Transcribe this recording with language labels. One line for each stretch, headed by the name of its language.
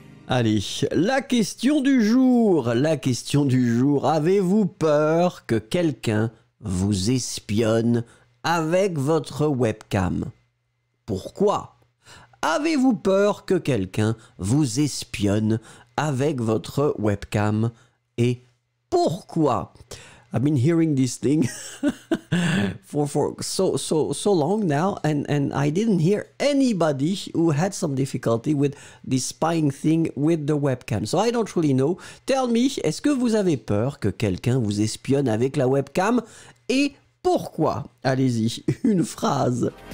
French: Allez, la question du jour, la question du jour. Avez-vous peur que quelqu'un vous espionne avec votre webcam? Pourquoi? Avez-vous peur que quelqu'un vous espionne avec votre webcam? Et pourquoi?
English: I've been hearing this thing for so long now, and I didn't hear anybody who had some difficulty with the spying thing with the webcam. So I don't really know. Tell me,
French: est-ce que vous avez peur que quelqu'un vous espionne avec la webcam? Et pourquoi? Allez-y, une phrase.